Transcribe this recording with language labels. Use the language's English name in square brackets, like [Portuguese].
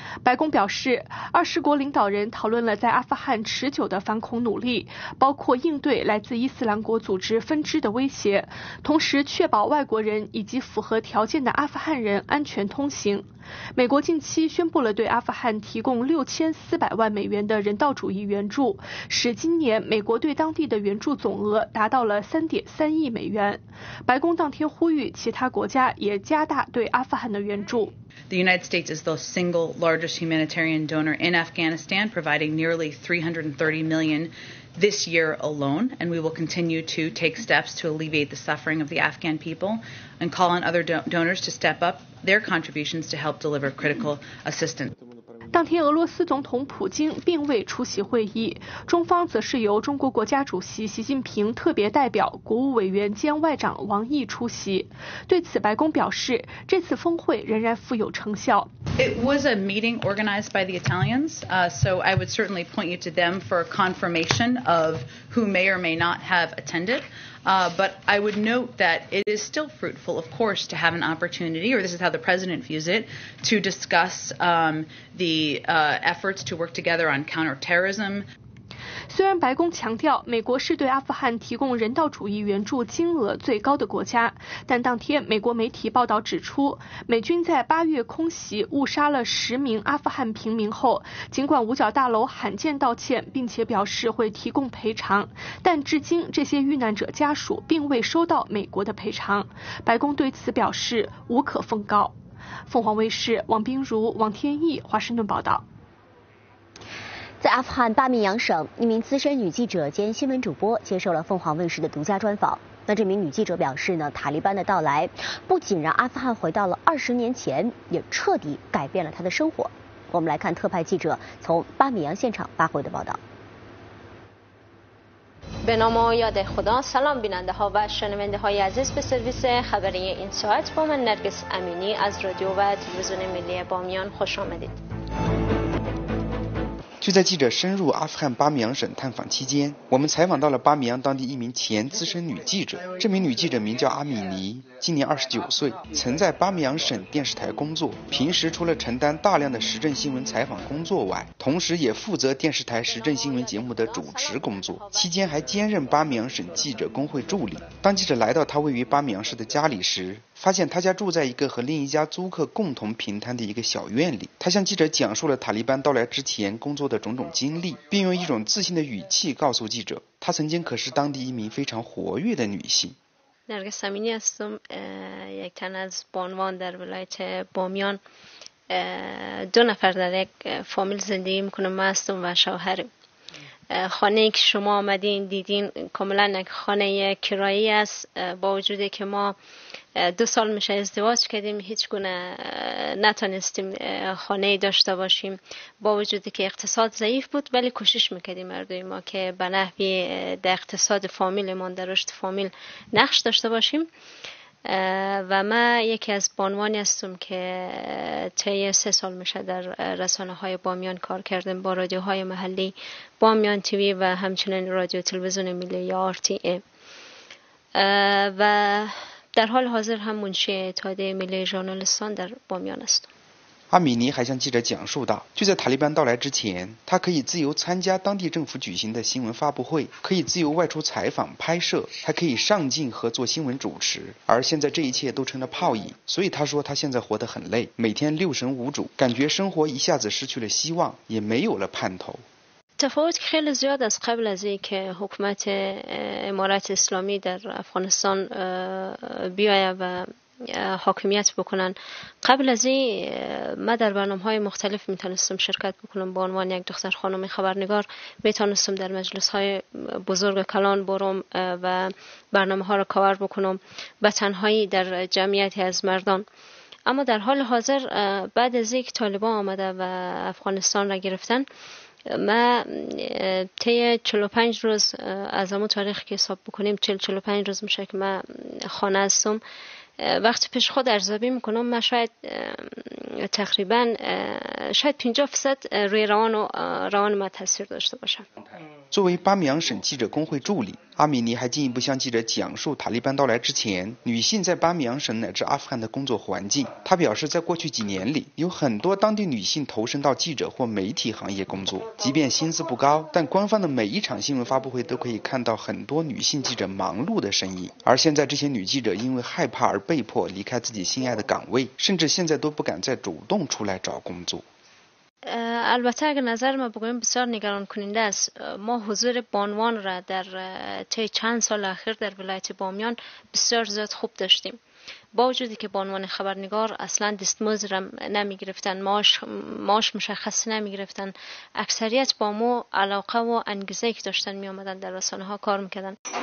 [Chinese] 白宫表示，二十国领导人讨论了在阿富汗持久的反恐努力，包括应对来自伊斯兰国组织分支的威胁，同时确保外国人以及符合条件的阿富汗人安全通行。美国近期宣布了对阿富汗提供6400万美元的人道主义援助，使今年美国对当地的援助总额达到了3.3亿美元。白宫当天呼吁其他国家也加大对阿富汗的援助。 [English] The United States is the single largest humanitarian donor in Afghanistan, providing nearly $330 million this year alone, and we will continue to take steps to alleviate the suffering of the Afghan people and call on other donors to step up their contributions to help deliver critical assistance. [Chinese] 当天俄罗斯总统普京并未出席会议，中方则是由中国国家主席习近平特别代表国务委员兼外长王毅出席。对此白宫表示，这次峰会仍然富有成效。 [English] It was a meeting organized by the Italians, so I would certainly point you to them for confirmation of who may or may not have attended. But I would note that it is still fruitful, of course, to have an opportunity, or this is how the president views it, to discuss efforts to work together on counterterrorism. [Chinese] 虽然白宫强调美国是对阿富汗提供人道主义援助金额最高的国家，但当天美国媒体报道指出，美军在8月空袭误杀了10名阿富汗平民后，尽管五角大楼罕见道歉并且表示会提供赔偿，但至今这些遇难者家属并未收到美国的赔偿。白宫对此表示无可奉告。凤凰卫视王冰如、王天翼华盛顿报道。在阿富汗巴米扬省，一名资深女记者兼新闻主播接受了凤凰卫视的独家专访。那这名女记者表示呢，塔利班的到来不仅让阿富汗回到了20年前，也彻底改变了她的生活。我们来看特派记者从巴米扬现场发回的报道。 [Persian] به نام یاد خدا سلام بیننده ها و شنونده های عزیز به سرویس خبری این ساعت با من نرگس امینی از رادیو و تلویزیون ملی بامیان خوش آمدید。 [Chinese] 就在记者深入阿富汗巴米扬省探访期间，我们采访到了巴米扬当地一名前资深女记者。这名女记者名叫阿米尼，今年29岁，曾在巴米扬省电视台工作。平时除了承担大量的时政新闻采访工作外，同时也负责电视台时政新闻节目的主持工作，期间还兼任巴米扬省记者工会助理。当记者来到她位于巴米扬市的家里时，发现他家住在一个和另一家租客共同平摊的一个小院里。他向记者讲述了塔利班到来之前工作的种种经历，并用一种自信的语气告诉记者，他曾经可是当地一名非常活跃的女性。 [Persian] نرگس امینی هستم، یک تن از بانوان در ولایت بامیان، دو نفر در یک فامیل زندگی میکنم، من هستم و شوهر. خانه‌ای که شما آمدین دیدین کاملا یک خانه کرایه است، با وجودی که ما دو سال میشه ازدواج کردیم هیچ گونه نتونستیم خانه داشته باشیم، با وجودی که اقتصاد ضعیف بود ولی کوشش میکردیم مردوی ما که به نحوی در اقتصاد فامیل ما در رشد فامیل نقش داشته باشیم. و من یکی از بانوانی هستم که طی 3 سال میشه در رسانه های بامیان کار کردم، با رادیوهای محلی بامیان تیوی و همچنین رادیو تلویزیون ملی یا RTA، و در حال حاضر هم منشی اتحادیه ملی ژورنالیستان در بامیان هستم. [Chinese] 阿米尼还向记者讲述到，就在塔利班到来之前，他可以自由参加当地政府举行的新闻发布会，可以自由外出采访拍摄，还可以上镜和做新闻主持。而现在这一切都成了泡影，所以他说他现在活得很累，每天六神无主，感觉生活一下子失去了希望，也没有了盼头。 [Persian] تفاوت خیلی زیاد از قبل از این که حکومت امارات اسلامی در افغانستان بیاید و حاکمیت بکنن قبل از این من در برنامه های مختلف میتونستم شرکت بکنم به عنوان یک دختر خانم خبرنگار میتونستم در مجلس های بزرگ کلان برم و برنامه ها را کاور بکنم به تنهایی در جمعیتی از مردان اما در حال حاضر بعد از این که طالبان آمده و افغانستان را گرفتن ما طی 45 روز از همون تاریخ که حساب بکنیم 40-45 روز میشه که من خانه هستم وقتی پیش خود ارزیابی میکنم من شاید تقریبا شاید 50% روی روان ما تاثیر داشته باشم [Chinese] 作为巴米扬省记者工会助理，阿米尼还进一步向记者讲述塔利班到来之前，女性在巴米扬省乃至阿富汗的工作环境。她表示，在过去几年里，有很多当地女性投身到记者或媒体行业工作，即便薪资不高，但官方的每一场新闻发布会都可以看到很多女性记者忙碌的身影。而现在，这些女记者因为害怕而被迫离开自己心爱的岗位，甚至现在都不敢再主动出来找工作。 [Persian] البته اگر نظر ما بگویم بسیار نگران کننده است ما حضور بانوان را در طی چند سال اخیر در ولایت بامیان بسیار زیاد خوب داشتیم با وجودی که بانوان خبرنگار اصلا دستمزد را نمی گرفتن معاش مشخص نمی گرفتن اکثریت با ما علاقه و انگیزه که داشتن می آمدن در رسانه ها کار میکردن